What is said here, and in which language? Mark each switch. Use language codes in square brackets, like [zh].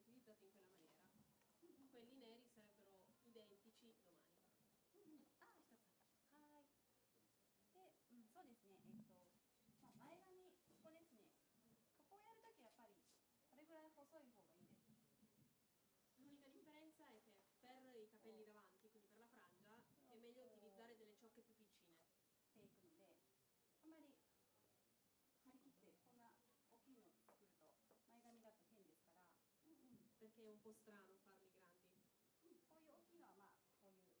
[it] utilizzate in quella maniera. Quelli neri sarebbero identici domani. [ja] そうですね、まあ、前髪ここですね。加工やるときやっぱりこれぐらい細い方がいいです。 [it] L'unica differenza è che per i capelli davanti, quindi per la frangia, è meglio utilizzare delle ciocche più piccine. [ja] ていくので、あまり張り切ってこんな大きいの作ると前髪だと変ですから。 [it] Perché è un po' strano farli grandi. [ja] こういう大きいのはまあこういう。